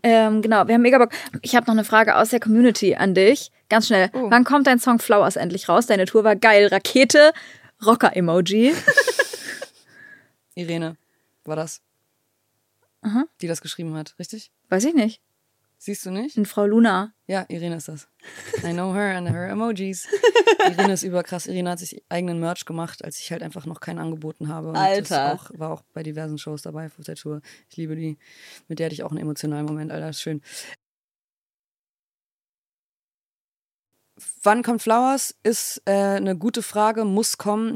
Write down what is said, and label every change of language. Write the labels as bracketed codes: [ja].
[de] Genau, wir haben mega Bock. Ich habe noch eine Frage aus der Community an dich. Ganz schnell. Oh. Wann kommt dein Song Flowers endlich raus? Deine Tour war geil. Rakete, Rocker-Emoji. Irene war das. Aha. Die das geschrieben hat, richtig? Weiß ich nicht. Siehst du nicht? Und Frau Luna. Ja, Irene ist das. [en] I know her and her emojis. [de] Irene ist überkrass. Irene hat sich eigenen Merch gemacht, als ich halt einfach noch keinen angeboten habe. Und Alter. Das war auch bei diversen Shows dabei auf der Tour. Ich liebe die. Mit der hatte ich auch einen emotionalen Moment. Alter, ist schön. Wann kommt Flowers? Ist eine gute Frage. Muss kommen.